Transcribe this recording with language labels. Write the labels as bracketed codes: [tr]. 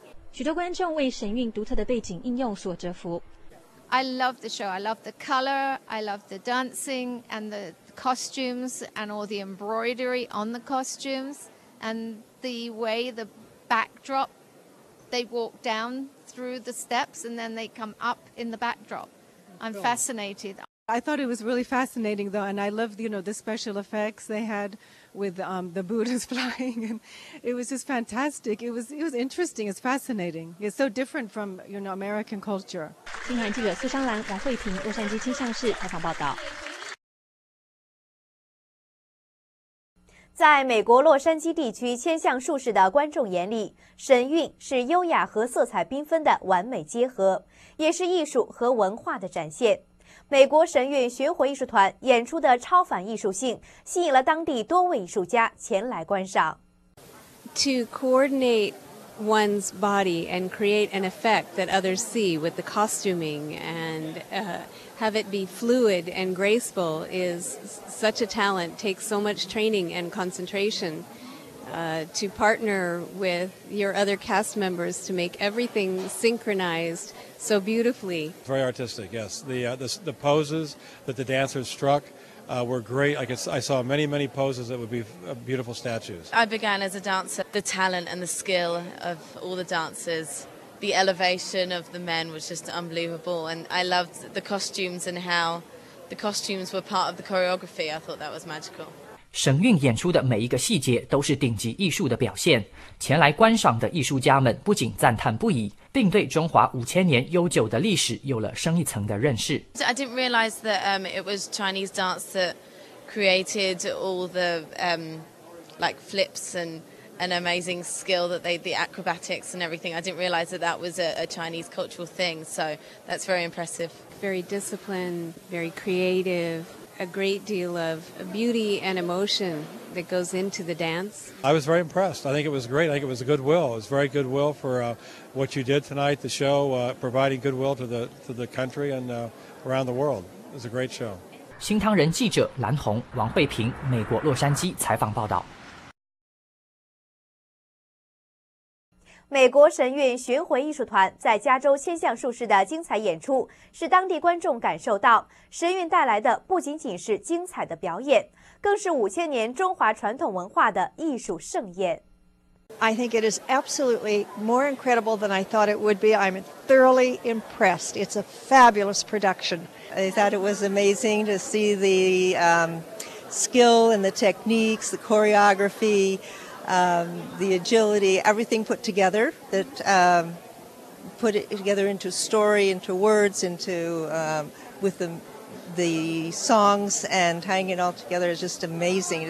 [zh] 许多观众为神韵独特的背景应用所折服。 [en] I love the show. I love the color. I love the dancing and the costumes and all the embroidery on the costumes and the way the backdrop, they walk down through the steps and then they come up in the backdrop. I'm fascinated. I thought it was really fascinating though, and I loved, you know, the special effects they had with the Buddhas flying. And it was just fantastic. It was interesting. It's fascinating. It's so different from, you know, American culture. [zh] 新闻记者苏湘兰、王慧婷，洛杉矶千橡市采访报道。在美国洛杉矶地区千橡术士的观众眼里，神韵是优雅和色彩缤纷的完美结合，也是艺术和文化的展现。美国神韵巡回艺术团演出的超凡艺术性，吸引了当地多位艺术家前来观赏。 [en] To coordinate. One's body and create an effect that others see with the costuming and have it be fluid and graceful is such a talent, takes so much training and concentration. To partner with your other cast members to make everything synchronized so beautifully. Very artistic, yes. The poses that the dancers struckwere great. I saw many, many poses that would be beautiful statues. I began as a dancer. The talent and the skill of all the dancers, the elevation of the men was just unbelievable. And I loved the costumes and how the costumes were part of the choreography. I thought that was magical. [zh] 神韵演出的每一个细节都是顶级艺术的表现。前来观赏的艺术家们不仅赞叹不已，并对中华5000年悠久的历史有了深一层的认识。 [en] I didn't realize that it was Chinese dance that created all the like flips and an amazing skill that they the acrobatics and everything. I didn't realize that was a Chinese cultural thing. So that's very impressive. Very disciplined, very creative, a great deal of beauty and emotion. that goes into the dance? I was very impressed. I think it was great. I think it was goodwill. It was very goodwill for what you did tonight, the show, providing goodwill to the country and around the world. It was a great show. [zh] 新唐人记者蓝红、王慧平，美国洛杉矶采访报道。美国神韵巡回艺术团在加州千橡树市的精彩演出，使当地观众感受到神韵带来的不仅仅是精彩的表演，更是5000年中华传统文化的艺术盛宴。 [en] I think it is absolutely more incredible than I thought it would be. I'm thoroughly impressed. It's a fabulous production. I thought it was amazing to see the skill and the techniques, the choreography, the agility, everything put together, that put it together into story, into words, into with the songs and tying it all together is just amazing.